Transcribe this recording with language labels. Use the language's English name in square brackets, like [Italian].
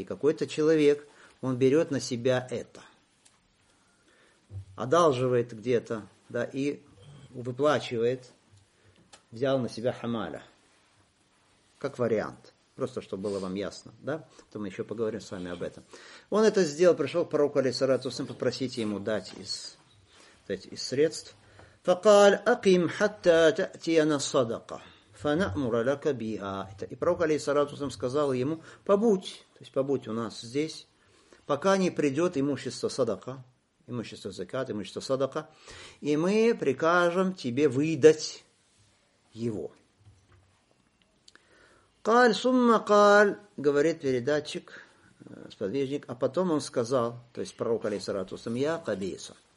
[Russian] И какой-то человек, он берет на себя это, одалживает где-то, да, и выплачивает, взял на себя хамаля, как вариант. Просто, чтобы было вам ясно, да? То мы еще поговорим с вами об этом. Он это сделал, пришел к пророку, алейхиссалату вассалям, попросить ему дать из средств. [Arabic] فقال أقم حتى تأتينا صدقة فنأمر لك بها. [Russian] И пророк алейхиссалям сказал ему, побудь, то есть побудь у нас здесь, пока не придет имущество садака, имущество закат, имущество садака, и мы прикажем тебе выдать его. [Arabic] قال ثم قال, [Russian] говорит передатчик, сподвижник, а потом он сказал, то есть пророк алейхиссалям, я кабиса.